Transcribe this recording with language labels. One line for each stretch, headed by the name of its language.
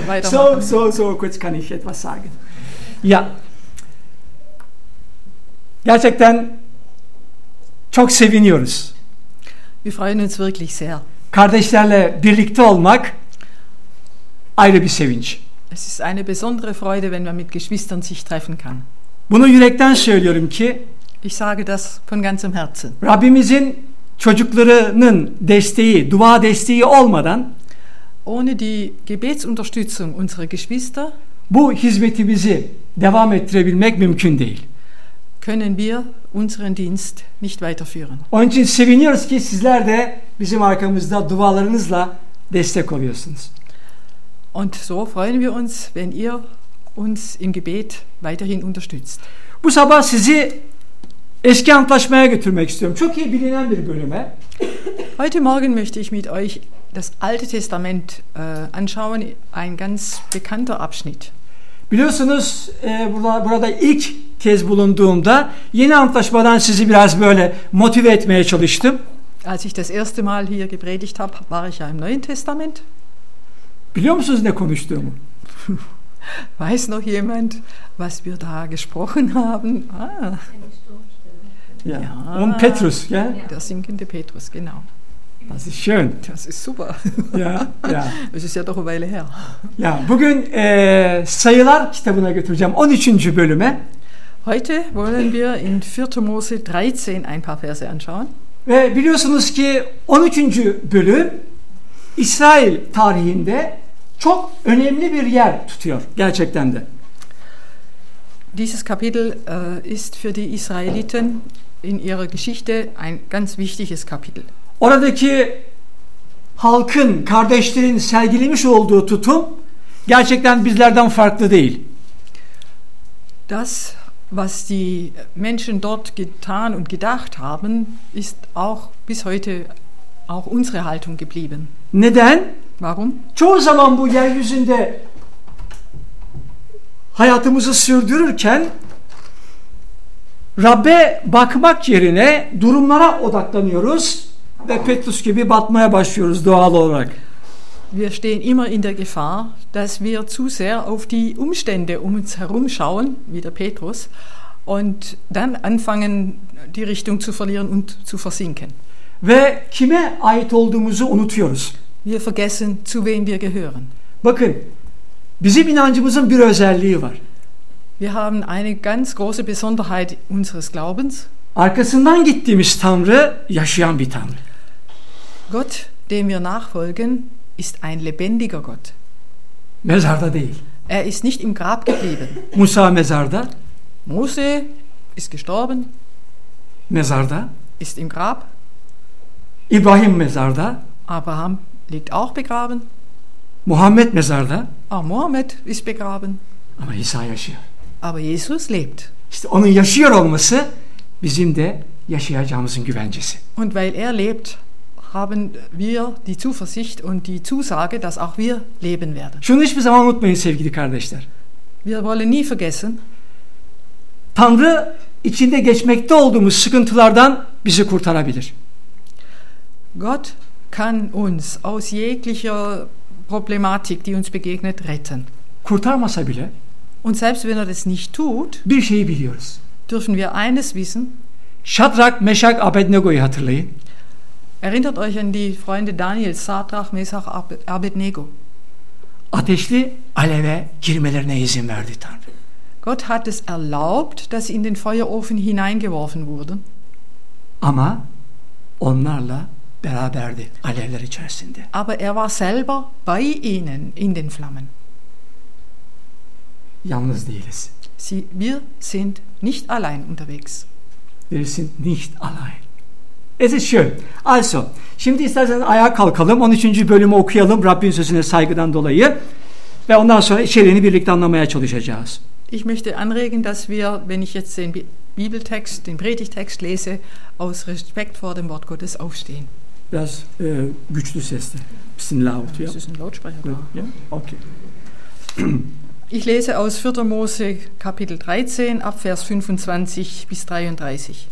German: So, kurz kann ich etwas sagen. Ja.
Turkish: Gerçekten çok seviniyoruz.
German: Wir freuen uns wirklich sehr.
Turkish: Kardeşlerle birlikte olmak ayrı bir sevinç.
German: Es ist eine besondere Freude, wenn man mit Geschwistern sich treffen kann.
Turkish: Bunu yürekten söylüyorum ki,
German: ich sage das von ganzem Herzen.
Turkish: Rabbimizin çocuklarının desteği, dua desteği olmadan,
German: ohne die Gebetsunterstützung unserer Geschwister,
Turkish: bu hizmetimizi devam ettirebilmek mümkün değil.
German: Können wir unseren Dienst nicht weiterführen.
Turkish: Onun için seviniyoruz ki sizler de bizim arkamızda dualarınızla destek oluyorsunuz.
German: Und so freuen wir uns, wenn ihr uns im Gebet weiterhin unterstützt.
Turkish: Bu sabah sizi eski antlaşmaya götürmek istiyorum. Çok iyi bilinen bir bölüme.
German: Heute Morgen möchte ich mit euch das Alte Testament anschauen, ein ganz bekannter Abschnitt.
Turkish: Biliyorsunuz burada ilk kez bulunduğumda yeni antlaşmadan sizi biraz böyle motive etmeye çalıştım.
German: Als ich das erste Mal hier gepredigt habe, war ich ja im Neuen Testament.
Turkish: Biliyor musunuz ne konuştuğumu?
German: Weiß noch jemand, was wir da gesprochen haben? Ja. Und Petrus, ja? Der sinkende Petrus, genau. Das ist schön. Das ist super. Ja, ja. Es ist ja doch eine Weile her.
Turkish: Ja, bugün Sayılar kitabına götüreceğim 13. bölüme.
German: Heute wollen wir in 4. Mose 13 ein paar Verse anschauen.
Turkish: Ve biliyorsunuz ki 13. bölüm İsrail tarihinde çok önemli bir yer tutuyor gerçekten de.
German: Dieses Kapitel ist für die Israeliten in ihrer Geschichte ein ganz wichtiges Kapitel.
Turkish: Oradaki halkın, kardeşlerin sergilemiş olduğu tutum gerçekten bizlerden farklı değil.
German: Das, was die Menschen dort getan und gedacht haben, ist auch bis heute auch unsere Haltung geblieben.
Turkish: Neden?
German: Warum?
Turkish: Çoğu zaman bu yeryüzünde hayatımızı sürdürürken Rab'be bakmak yerine durumlara odaklanıyoruz. Ve Petrus gibi batmaya başlıyoruz doğal olarak.
German: Wir stehen immer in der Gefahr, dass wir zu sehr auf die Umstände um uns herum schauen, wie der Petrus, und dann anfangen, die Richtung zu verlieren und zu versinken.
Turkish: Ve kime ait olduğumuzu unutuyoruz.
German: Wir vergessen, zu wem wir gehören.
Turkish: Bakın, bizim inancımızın bir özelliği var.
German: Wir haben eine ganz große Besonderheit unseres Glaubens.
Turkish: Arkasından gittiğimiz Tanrı yaşayan bir Tanrı.
German: Gott, dem wir nachfolgen, ist ein lebendiger Gott.
Turkish: Mezarda değil.
German: Er ist nicht im Grab geblieben.
Turkish: Musa mezarda.
German: Mose ist gestorben.
Turkish: Mezarda.
German: Ist im Grab.
Turkish: İbrahim mezarda.
German: Abraham liegt auch begraben.
Turkish: Muhammed mezarda.
German: Ah, Muhammed ist begraben.
Turkish: Ama İsa yaşıyor.
German: Aber Jesus lebt.
Turkish: İşte onun yaşıyor olması bizim de yaşayacağımızın güvencesi.
German: Und weil er lebt, haben wir die Zuversicht und die Zusage, dass auch wir leben werden.
Turkish: Şunu hiçbir zaman unutmayın sevgili kardeşler.
German: Wir wollen nie vergessen.
Turkish: Tanrı içinde geçmekte olduğumuz sıkıntılardan bizi kurtarabilir.
German: Gott kann uns aus jeglicher Problematik, die uns begegnet, retten.
Turkish: Kurtarmasa bile.
German: Und selbst wenn er das nicht tut.
Turkish: Bir şeyi biliyoruz.
German: Dürfen wir eines wissen?
Turkish: Şadrak, Meşak, Abednego'yu hatırlayın.
German: Erinnert euch an die Freunde Daniel, Şadrak, Meşak, Abednego.
Turkish: Ateşli aleve girmelerine izin verdi Tanrı.
German: Gott hat es erlaubt, dass sie in den Feuerofen hineingeworfen wurden.
Turkish: Ama onlarla beraberdi alevler içerisinde.
German: Aber er war selber bei ihnen in den Flammen.
Turkish: Yalnız değiliz.
German: Wir sind nicht allein unterwegs. Wir sind nicht allein. Es ist schön. Also,
Turkish: şimdi isterseniz ayağa kalkalım, 13. bölümü okuyalım Rabbin sözüne saygıdan dolayı ve ondan sonra içeriğini birlikte anlamaya çalışacağız.
German: Ich möchte anregen, dass wir, wenn ich jetzt den Bibeltext, den Predigtext lese, aus Respekt vor dem Wort Gottes aufstehen. Das geht das erste. Bisschen laut, ja. Das ist ein Lautsprecher. Ja. Ja. Okay. Ich lese aus 4. Mose Kapitel 13, Abvers 25 bis 33.